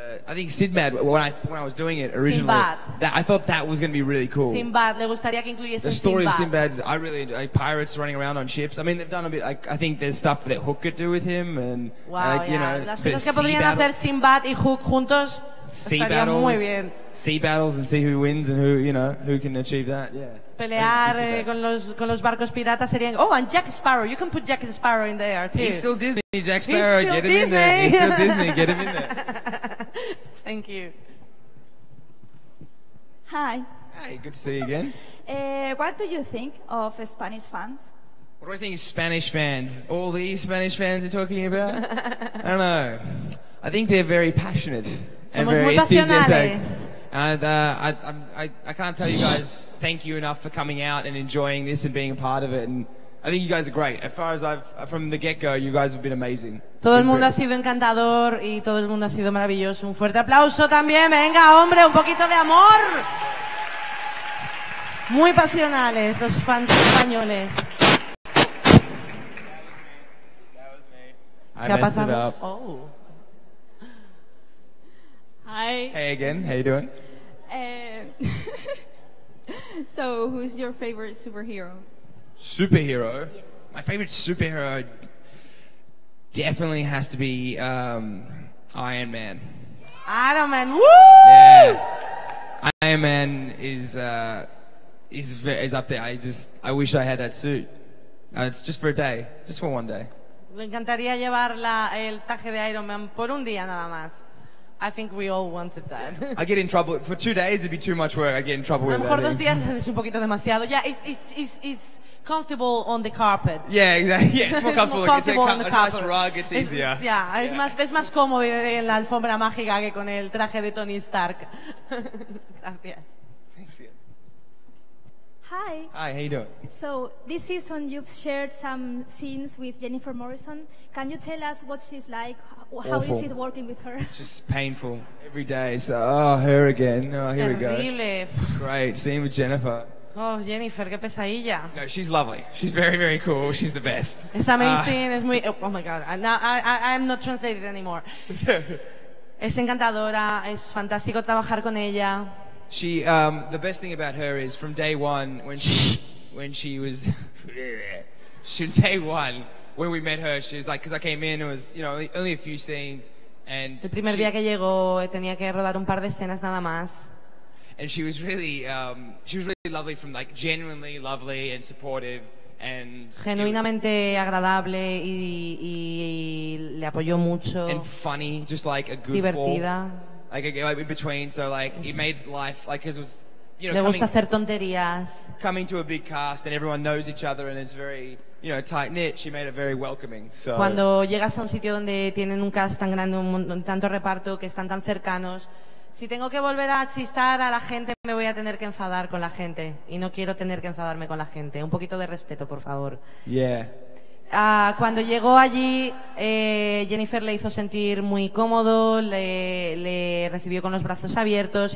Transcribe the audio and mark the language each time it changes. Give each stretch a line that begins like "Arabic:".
English: I think Sinbad, when I was doing it originally, I thought that was going to be really cool.
Spanish: Sinbad, le gustaría que incluyese
English: Sinbad. The story of Sinbad's, I really enjoy, like pirates running around on ships. I mean, they've done a bit, like, I think there's stuff that Hook could do with him, and, you know,
Spanish: las cosas que podrían hacer Sinbad y Hook juntos, sea estaría
English: battles,
Spanish: muy bien.
English: Sea battles and see who wins and who, you know, who can achieve that,
Spanish: Pelear con los barcos piratas serían...
English: Oh, and Jack Sparrow, you can put Jack Sparrow in there, too. He's still Disney, Jack Sparrow, get him in there. He's still Disney, get him in there. Thank you. Hi. Hey, good to see you again. What do you think of Spanish fans? What do I think of Spanish fans? All these Spanish fans are talking about? I don't know. I think they're very passionate.
Spanish: Somos
English: and very enthusiastic. And I can't tell you guys thank you enough for coming out and enjoying this and being a part of it. And I think you guys are great. As far as from the get-go, you guys have been amazing.
Spanish: Todo el mundo ha sido encantador y todo el mundo ha sido maravilloso. Un fuerte aplauso también. Venga, hombre, un poquito de amor. Muy pasionales, los fans españoles.
English: That was me. I messed it up. Oh. Hi. Hey again. How you doing? So, who's your favorite superhero? Superhero? Yeah. My favorite superhero definitely has to be Iron Man. Iron Man, woo! Yeah. Iron Man is up there. I wish I had that suit. It's just for a day, just for one day.
Spanish: Me encantaría llevar el traje de Iron Man por un día nada más.
English: I think we all wanted that. I get in trouble. For 2 days, it'd be too much work. I get in trouble with that.
Spanish: Mejor 2 días es un poquito demasiado.
English: Yeah, it's comfortable on the carpet. Yeah, exactly. Yeah, it's more comfortable. More comfortable it's on the carpet. A nice rug, it's easier.
Spanish: Es más cómodo en la alfombra mágica que con el traje de Tony Stark. Gracias.
English: Thanks, yeah. Hi. Hi, how you doing? So, this season you've shared some scenes with Jennifer Morrison. Can you tell us what she's like? How awful. Is it working with her? Just painful. Every day. So, her again. Oh, here Terrible. We go. Great. Scene with Jennifer.
Spanish: Oh, Jennifer, qué pesadilla.
English: No, she's lovely. She's very, very cool. She's the best. It's amazing.
Spanish: Es muy...
English: Oh, my God. Now, I'm not translated anymore.
Spanish: Es encantadora. Es fantástico trabajar con ella.
English: She, the best thing about her is from day one, when we met her, she was like, because I came in, it was, you know, only a few scenes. And
Spanish: el primer día que llegó, tenía que rodar un par de escenas nada más.
English: And she was really lovely from like genuinely lovely and supportive and
Spanish: genuinamente agradable y le apoyó mucho.
English: And funny, just like a goofball.
Spanish: Divertida.
English: Like in between, so like it made life like because it was you know.
Spanish: Le gusta hacer tonterías.
English: Coming to a big cast and everyone knows each other and it's very you know tight knit. She made it very welcoming. So.
Spanish: Cuando llegas a un sitio donde tienen un cast tan grande, un tanto reparto que están tan cercanos. Si tengo que volver a chistar a la gente, me voy a tener que enfadar con la gente. Y no quiero tener que enfadarme con la gente. Un poquito de respeto, por favor.
English: Yeah.
Spanish: Cuando llegó allí, Jennifer le hizo sentir muy cómodo, le recibió con los brazos abiertos.